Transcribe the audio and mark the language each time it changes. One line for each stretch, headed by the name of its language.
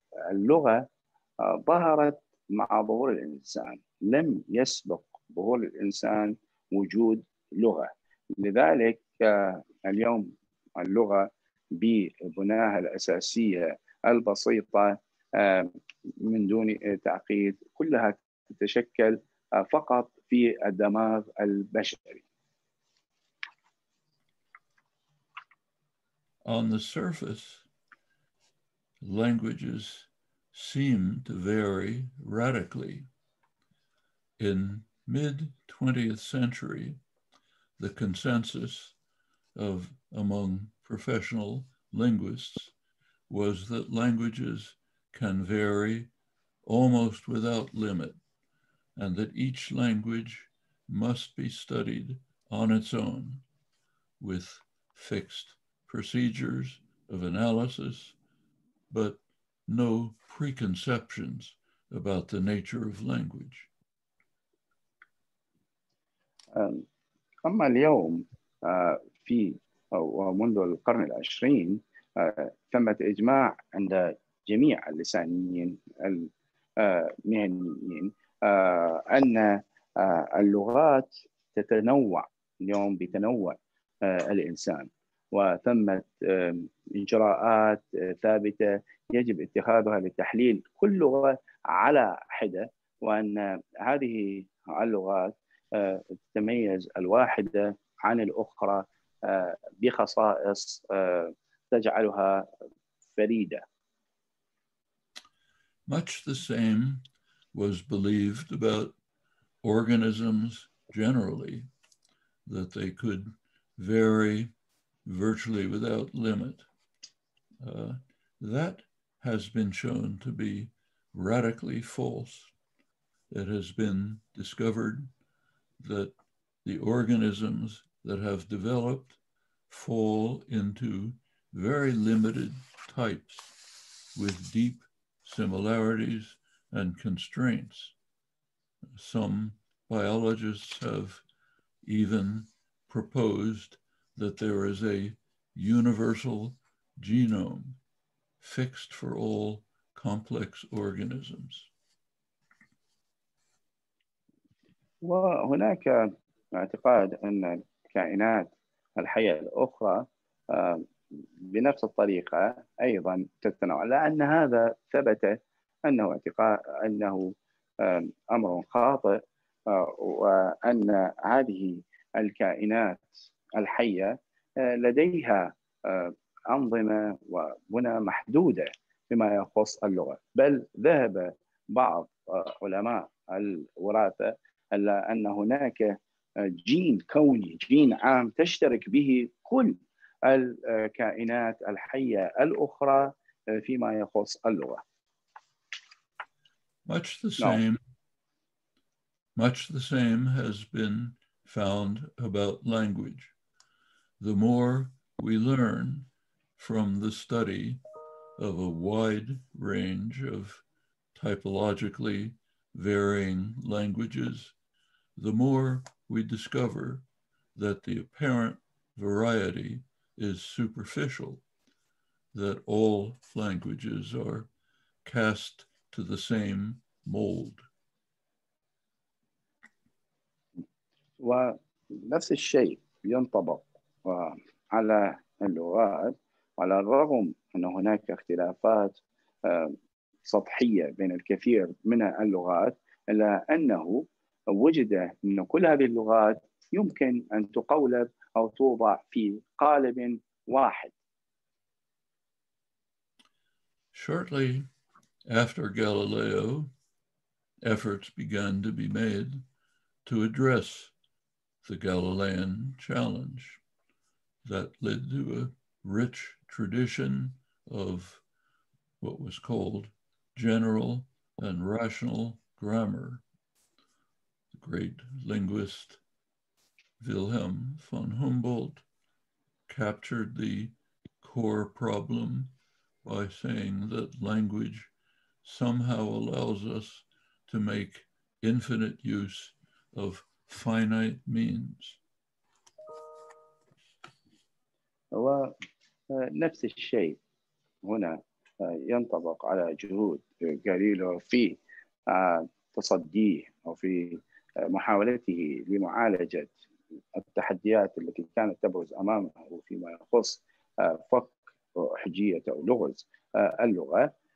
Arabic: اللغة ظهرت مع ظهور الإنسان لم يسبق ظهور الإنسان وجود لغة لذلك اليوم اللغة ببناها الأساسية البسيطة من دون تعقيد كلها تتشكل فقط في الدماغ البشري.
English: On the surface, languages seem to vary radically. In mid-20th century, the consensus of among professional linguists was that languages can vary almost without limit, and that each language must be studied on its own with fixed procedures of analysis, but no preconceptions about the nature of language.
Arabic: أما اليوم في ومنذ القرن العشرين تم إجماع عند جميع اللسانيين المهنيين أن اللغات تتنوع اليوم بتنوع الإنسان. وتمت إجراءات ثابتة يجب اتخاذها لتحليل كل لغة على حدة وأن هذه اللغات تتميز الواحدة عن الأخرى بخصائص تجعلها فريدة.
English: Much the same was believed about organisms generally that they could vary virtually without limit. That has been shown to be radically false. It has been discovered that the organisms that have developed fall into very limited types with deep similarities and constraints. Some biologists have even proposed that there is a universal genome fixed for all complex organisms.
Arabic: وهناك اعتقاد أن الكائنات الحية الأخرى بنفس الطريقة أيضا تتنوع لأن هذا ثبت أنه اعتقاد أنه أمر خاطئ وأن هذه الكائنات الحية لديها أنظمة وبنى محدودة فيما يخص اللغة بل ذهب بعض علماء الوراثة إلى أن هناك جين كوني جين عام تشترك به كل الكائنات الحية الأخرى فيما يخص اللغة.
English: Much the same has been found about language. The more we learn from the study of a wide range of typologically varying languages, the more we discover that the apparent variety is superficial, that all languages are cast to the same mold.
Arabic: ونفس الشيء ينطبق على اللغات على الرغم أن هناك اختلافات سطحية بين الكثير من اللغات إلا أنه وجد أن كل هذه اللغات يمكن أن تقولب أو توضع في قالب واحد.
English: Shortly after Galileo, efforts began to be made to address the Galilean challenge that led to a rich tradition of what was called general and rational grammar. The great linguist Wilhelm von Humboldt captured the core problem by saying that language somehow allows us to make infinite use of finite means.
Arabic: نفس الشيء هنا ينطبق على جهود غاليليو في تصديه أو في محاولته لمعالجة التحديات التي كانت تبرز أمامه فيما يخص فك حجية أو لغز اللغة.